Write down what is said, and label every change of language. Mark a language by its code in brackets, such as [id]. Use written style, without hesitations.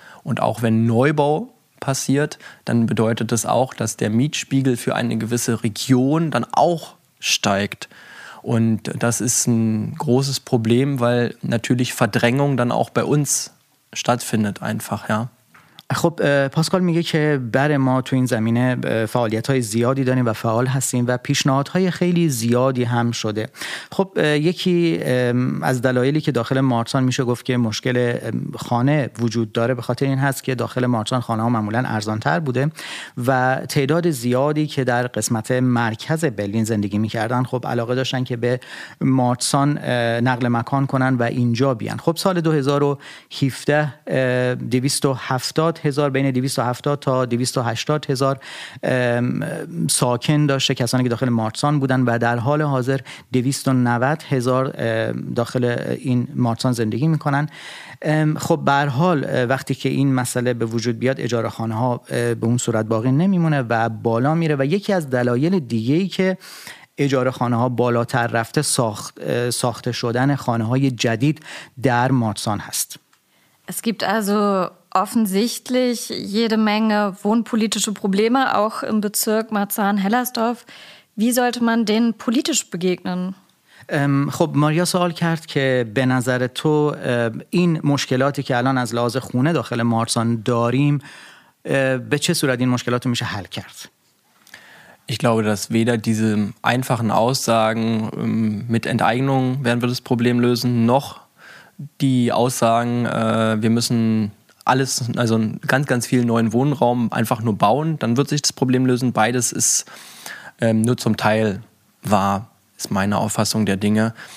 [de] Und auch wenn Neubau passiert, dann bedeutet das auch, dass der Mietspiegel für eine gewisse Region dann auch steigt. Und das ist ein großes Problem, weil natürlich Verdrängung dann auch bei uns stattfindet einfach, ja. [fa] خب پاسکال میگه که بر ما تو این زمینه فعالیت‌های زیادی داریم و فعال هستیم و پیشنهادهای خیلی زیادی هم شده. خب یکی از دلایلی که داخل مارتان میشه گفت که مشکل خانه وجود داره به خاطر این هست که داخل مارتان خانه‌ها معمولاً ارزان‌تر بوده و تعداد زیادی که در قسمت مرکز برلین زندگی می‌کردن خب علاقه داشتن که به مارتان نقل مکان کنن و اینجا بیان. خب سال 2017 270,000 to 280,000 ساکن داشته کسانی که داخل مارتان بودن و در حال حاضر 290,000 داخل این مارتان زندگی میکنن. خب به هر حال وقتی که این مسئله به وجود بیاد اجاره خانه ها به اون صورت باقی نمیمونه و بالا میره و یکی از دلایل دیگه‌ای که اجاره خانه ها بالاتر رفته ساخته شدن خانه های جدید در مارتان هست. [de] Es gibt also offensichtlich jede Menge wohnpolitische Probleme auch im Bezirk Marzahn-Hellersdorf. Wie sollte man denen politisch begegnen? [fa] خب ماریا سوال کرد که به نظر تو این مشکلاتی که الان از لحاظ خونه داخل مارتان داریم به چه صورت این مشکلات رو میشه حل کرد؟ [de] Ich glaube, dass weder diese einfachen Aussagen mit Enteignung werden wir das Problem lösen, noch die Aussagen, wir müssen alles, also ganz, ganz viel neuen Wohnraum einfach nur bauen, dann wird sich das Problem lösen. Beides ist nur zum Teil wahr, ist meine Auffassung der Dinge.